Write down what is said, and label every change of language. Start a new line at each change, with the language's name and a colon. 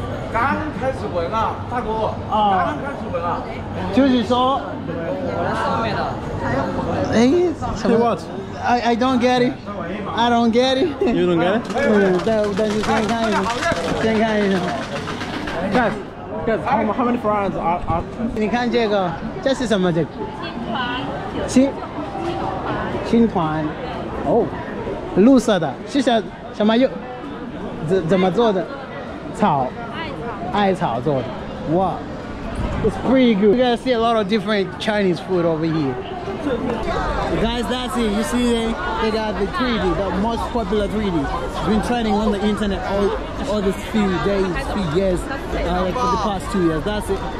Chinese: 刚开始闻啊，大哥。啊、哦。刚开始闻啊。就是说。我在上面了。哎，什么
English: ？What？ I don't get it. I don't get it. You don't get it？
Chinese: 嗯，但是先看一下，先看一下。
English: Guys, how many friends are？
Chinese: 你看这个，这是什么？这个。青团。哦。绿色的是什么又怎么做的？草，艾草做的。哇 ，
English: it's pretty good. You gotta see a lot of different Chinese food over here. Guys, that's it. You see, they got the 3D, the most popular 3D. Been trending on the internet all these few days, few years, like for the past 2 years. That's it.